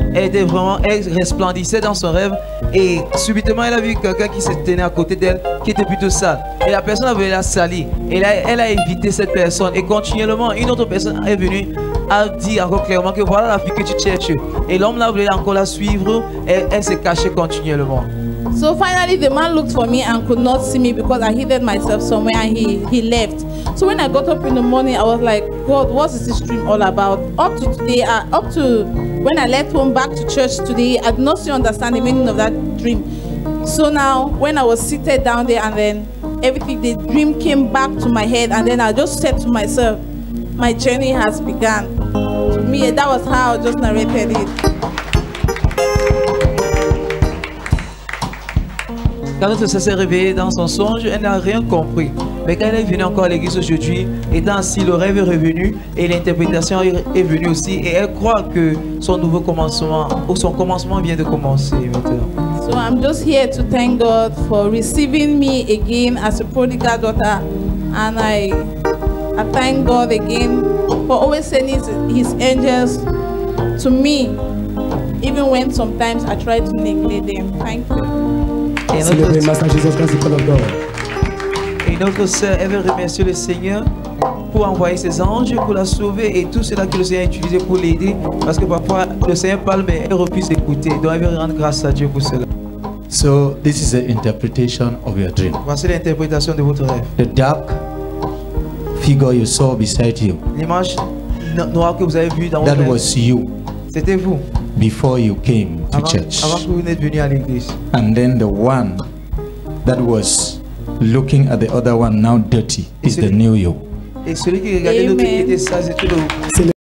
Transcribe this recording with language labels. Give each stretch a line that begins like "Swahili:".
French: Elle resplendissait dans son rêve. Et subitement, elle a vu quelqu'un qui se tenait à côté d'elle, qui était plutôt sale. Et la personne avait la salie. Et là, elle a évité cette personne. Et continuellement, une autre personne est venue, a dit encore clairement que voilà la fille que tu cherches. Et l'homme-là voulait encore la suivre. Et elle s'est cachée continuellement.
English: So finally the man looked for me and could not see me because I hid myself somewhere, and he left. So when I got up in the morning, I was like, God, what is this dream all about? Up to today, up to when I left home back to church today, I did not still understand the meaning of that dream. So now when I was seated down there, and then everything, the dream came back to my head, and then I just said to myself, my journey has begun. To me, that was how I just narrated it.
French: Quand notre sœur s'est réveillée dans son songe, elle n'a rien compris. Mais quand elle est venue encore à l'église aujourd'hui, étant assis, le rêve est revenu et l'interprétation est venue aussi. Et elle croit que son nouveau commencement ou son commencement vient de commencer maintenant.
English: So I'm just here to thank God for receiving me again as a prodigal daughter. And I thank God again for always sending his angels to me, even when sometimes I try to neglect them. Thank you.
French: Et notre sœur, elle veut remercier le Seigneur pour envoyer ses anges, pour la sauver et tout cela que le Seigneur a utilisé pour l'aider. Parce que parfois, le Seigneur parle, mais elle refuse d'écouter. Donc elle veut rendre grâce à Dieu pour cela.
English: So, this is the interpretation of your dream.
French: Voici l'interprétation de votre rêve.
English: The dark figure you saw beside you.
French: L'image noire que vous avez vue dans votre rêve.
English: That was you.
French: C'était vous.
English: before you came to church.
French: Avant que vous n'êtes venu à l'église.
English: And then the one that was looking at the other one now dirty is the new you.
French: Et celui qui regardait l'autre qui était sage et tout le monde.